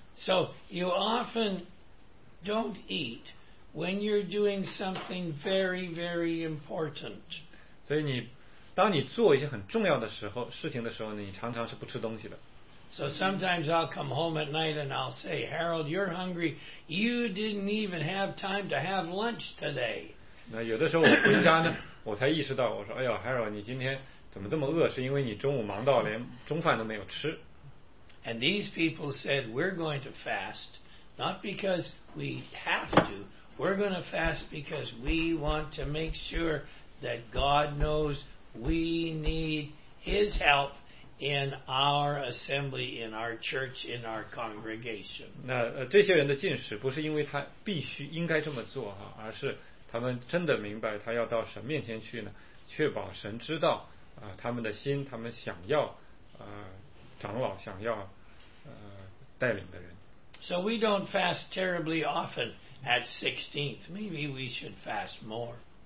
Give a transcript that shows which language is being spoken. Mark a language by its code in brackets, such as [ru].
[en] So you often don't eat. When you're doing something very, very important. [zh] 所以你当你做一些很重要的时候事情的时候，你常常是不吃东西的。 [en] So sometimes I'll come home at night and I'll say, Harold, you're hungry. You didn't even have time to have lunch today. [zh] 那有的时候我回家呢，我才意识到，我说，哎呦 ，Harold， 你今天怎么这么饿？是因为你中午忙到连中饭都没有吃。 [en] And these people said, we're going to fast, not because we have to. We're going to fast because we want to make sure that God knows we need His help in our assembly, in our church, in our congregation. [zh] 那这些人的禁食不是因为他必须应该这么做哈，而是他们真的明白他要到神面前去呢，确保神知道他们的心，他们想要长老想要带领的人。 [en] So we don't fast terribly often. At 16th, maybe we should fast more.